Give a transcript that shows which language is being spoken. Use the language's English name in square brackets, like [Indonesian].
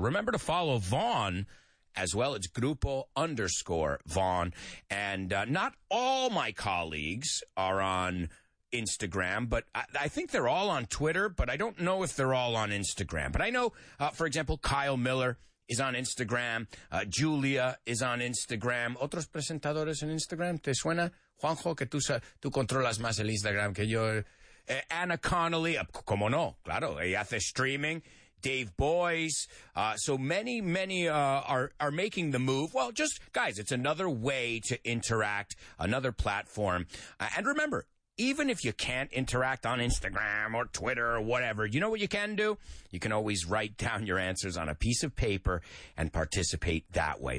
[English] Remember to follow Vaughn as well. It's Grupo_Vaughn. And not all my colleagues are on Instagram, but I think they're all on Twitter, but I don't know if they're all on Instagram. But I know, for example, Kyle Miller is on Instagram. Julia is on Instagram. [Spanish] ¿Otros presentadores en Instagram? ¿Te suena, Juanjo, que tú controlas más el Instagram que yo? Anna Connelly, como no, claro, ella hace streaming. [English] Dave Boyce. So many, many are making the move. Well, just, guys, it's another way to interact, another platform. And remember, even if you can't interact on Instagram or Twitter or whatever, you know what you can do? You can always write down your answers on a piece of paper and participate that way.